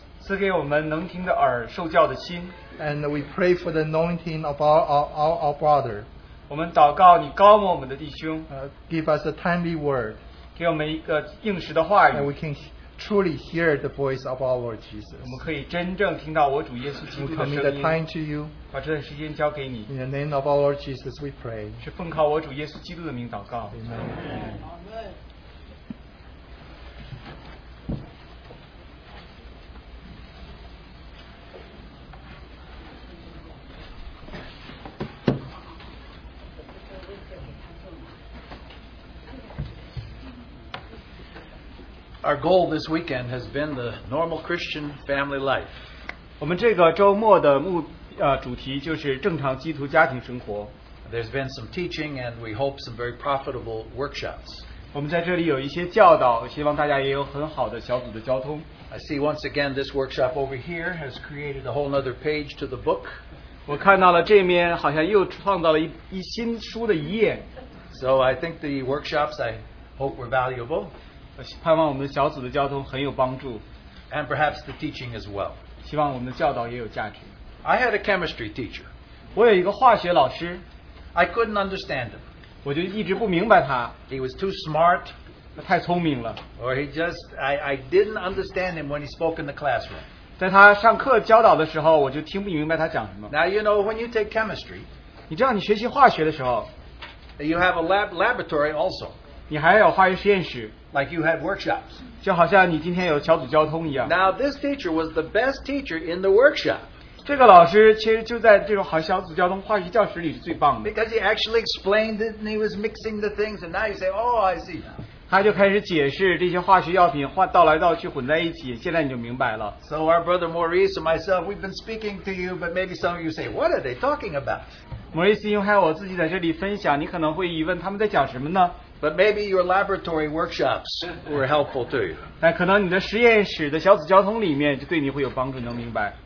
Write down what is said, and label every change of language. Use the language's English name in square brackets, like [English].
[Chinese] 赐给我们能听的耳，受教的心。 [English] And we pray for the anointing of our brother. [Chinese] 我们祷告你高牧我们的弟兄。 [English] Give us a timely word. [Chinese] 给我们一个应时的话语。 [English] And we can truly hear the voice of our Lord Jesus. [Chinese] 我们可以真正听到我主耶稣基督的声音。 [English] We commit the time to you. [Chinese] 把这段时间交给你。 [English] In the name of our Lord Jesus, we pray. [Chinese] 是奉靠我主耶稣基督的名祷告。 [English] Amen. Amen. Our goal this weekend has been the normal Christian family life. [Chinese] 我们这个周末的主题就是正常基督徒家庭生活。 [English] There's been some teaching and we hope some very profitable workshops. [Chinese] 我们在这里有一些教导，希望大家也有很好的小组的交通。 [English] I see once again this workshop over here has created a whole other page to the book. [Chinese] 我看到了这面好像又创造了一新书的一页。 [English] So I think the workshops I hope were valuable. And perhaps the teaching as well. I had a chemistry teacher. I couldn't understand him. He was too smart. I didn't understand him when he spoke in the classroom. Now you know when you take chemistry, you have a laboratory also. [Chinese] 你还有化学实验室, [English] like you had workshops. [Chinese] 就好像你今天有桥子交通一样。 [English] Now this teacher was the best teacher in the workshop. [Chinese] 这个老师其实就在这种好小组交通化学教室里是最棒的。 [English] Because he actually explained it and he was mixing the things and now you say, oh, I see now. [Chinese] 他就开始解释这些化学药品倒来倒去混在一起，现在你就明白了。 [English] So our brother Maurice and myself, we've been speaking to you, but maybe some of you say, what are they talking about? [Chinese] Maurice，因为还有我自己在这里分享，你可能会疑问他们在讲什么呢？ [English] But maybe your laboratory workshops were helpful to you. [Chinese] 那可能你的实验室的小组交通里面就对你会有帮助，能明白。